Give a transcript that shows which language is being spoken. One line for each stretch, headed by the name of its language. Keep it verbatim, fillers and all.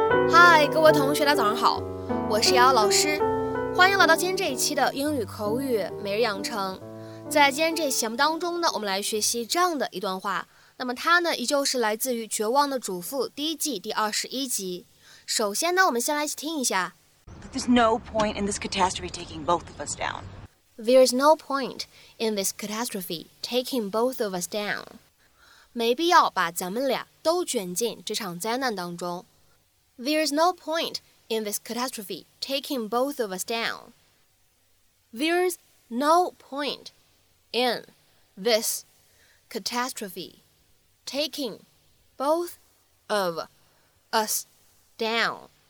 Chinese: 嗨，各位同学，大家早上好，我是瑶瑶老师，欢迎来到今天这一期的英语口语每日养成。在今天这期节目当中呢，我们来学习这样的一段话。那么它呢，依旧是来自于《绝望的主妇》第一季第二十一集。首先呢，我们先来听一下。
English: But there's no point in this catastrophe taking both of us down. There's no point in this catastrophe taking both of us down.
Chinese: 没必要把咱们俩都卷进这场灾难当中。
English: There's no point in this catastrophe taking both of us down. There's no point in this catastrophe taking both of us down.